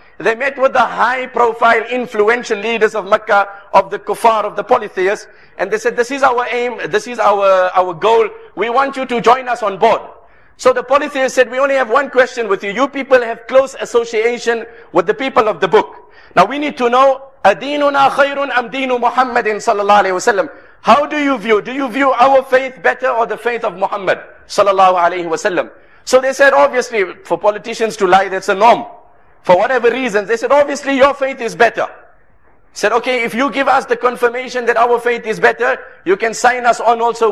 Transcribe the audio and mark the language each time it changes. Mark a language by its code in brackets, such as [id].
[en] They met with the high profile influential leaders of Mecca, of the kuffar, of the polytheists, and they said, this is our aim, this is our goal, we want you to join us on board. So the polytheist said, we only have one question with you. You people have close association with the people of the book. Now we need to know, [ar] أَدِينُنَا خَيْرٌ أَمْ دِينُ مُحَمَّدٍ صلى الله عليه وسلم. [en] How do you view? Do you view our faith better or the faith of Muhammad صلى الله عليه وسلم? So they said, obviously, for politicians to lie, that's a norm. For whatever reasons, they said, obviously your faith is better. Said, okay, if you give us the confirmation that our faith is better, you can sign us on also.